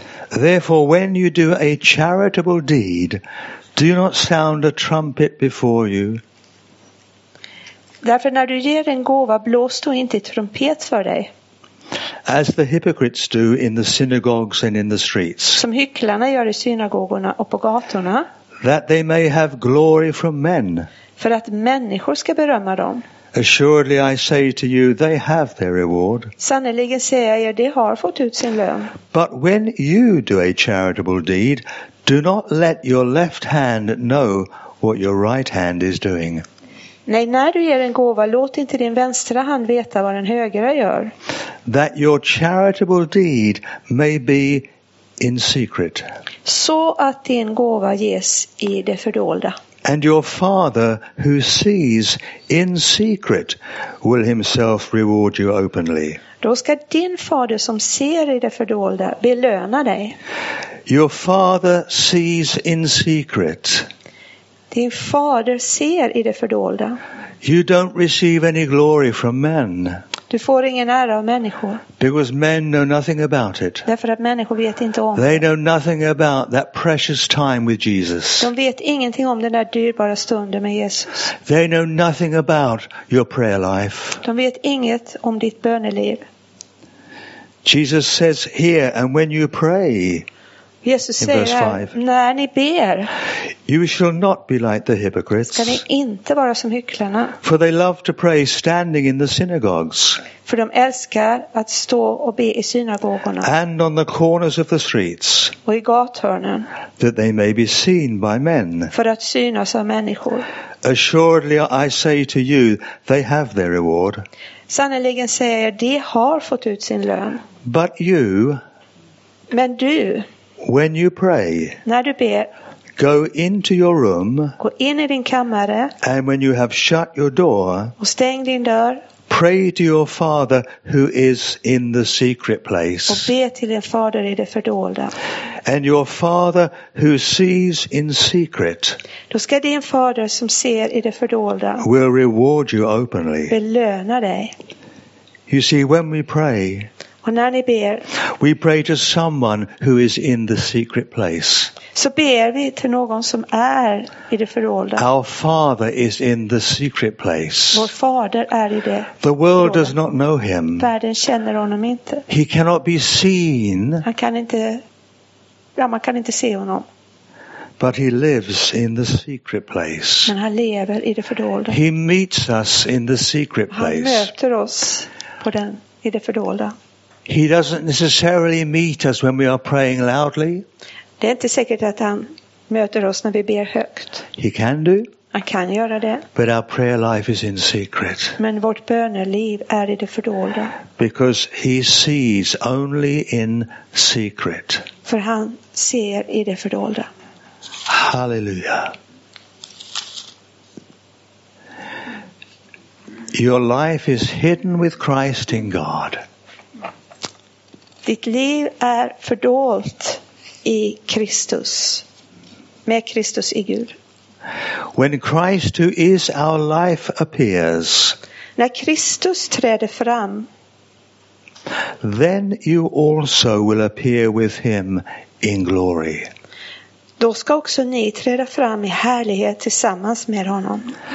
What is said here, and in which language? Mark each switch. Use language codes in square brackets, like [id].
[en] Therefore, when you do a charitable deed, do not sound a trumpet before you. [sv] Därför när du ger en gåva, blås du inte trumpet för dig. [en] As the hypocrites do in the synagogues and in the streets. [sv] Som hycklarna gör i synagogorna och på gatorna. [en] That they may have glory from men. [sv] För att människor ska berömma dem. [en] Assuredly I say to you, they have their reward. [sv] Sannerligen säger jag er, de har fått ut sin lön. [en] But when you do a charitable deed, do not let your left hand know what your right hand is doing. [sv] Nej, när du ger en gåva, låt inte din vänstra hand veta vad den högra gör. [en] That your charitable deed may be in secret. [sv] Så att din gåva ges i det fördolda. [en] And your father who sees in secret will himself reward you openly. [sv] Då ska din fader som ser i det fördolda belöna dig. [en] Your father sees in secret. [sv] Din fader ser i det fördolda. [en] You don't receive any glory from men. [sv] Du får ingen ära av människor. [en] Because men know nothing about it. [sv] Därför att människor vet inte om. [en] They know nothing about that precious time with Jesus. [sv] De vet ingenting om den där dyrbara stunden med Jesus. [en] They know nothing about your prayer life. [sv] De vet inget om ditt böneliv. [en] Jesus says here, and when you pray. [sv] Jesus säger, när ni ber, [en] you shall not be like the hypocrites, [sv] ska ni inte vara som hycklarna, [en] for they love to pray standing in the synagogues, [sv] för de älskar att stå och be i synagogorna, [en] and on the corners of the streets, [sv] och i gathörnen, [en] that they may be seen by men, [sv] för att synas av människor. [en] Assuredly I say to you, they have their reward. [sv] Sannerligen säger jag, de har fått ut sin lön. [en] But you, [sv] men du, [en] when you pray, [sv] när du ber, [en] go into your room, [sv] gå in i din kammare, [en] and when you have shut your door, [sv] och stäng din dörr, [en] pray to your father who is in the secret place, [sv] och be till din fader i det fördolda, [en] and your father who sees in secret, [sv] då ska din fader som ser i det fördolda, [en] will reward you openly, [sv] belöna dig. [en] You see, when we pray, [sv] och när ni ber, [en] we pray to someone who is in the secret place. [sv] Så ber vi till någon som är i det fördolda. [en] Our father is in the secret place. [sv] Vår fader är i det. [en] The world does not know him. [sv] Världen känner honom inte. [en] He cannot be seen. [sv] Han kan inte, ja, man kan inte se honom. [en] But he lives in the secret place. [sv] Men han lever i det fördolda. [en] He meets us in the secret place. [sv] Han möter oss på den i det fördolda. [en] He doesn't necessarily meet us when we are praying loudly. [sv] Det är inte säkert att han möter oss när vi ber högt. [en] He can do. [sv] Han kan göra det. [en] But our prayer life is in secret. [sv] Men vårt böneliv är i det fördolda. [en] Because he sees only in secret. [sv] För han ser i det fördolda. Halleluja. [en] Your life is hidden with Christ in God. [sv] Ditt liv är fördolt i Kristus, med Kristus i Gud. [en] When Christ, who is our life, appears, [sv] när Kristus träder fram, [en] then you also will appear with him in glory. [sv] Då ska också ni träda fram i härlighet tillsammans med honom.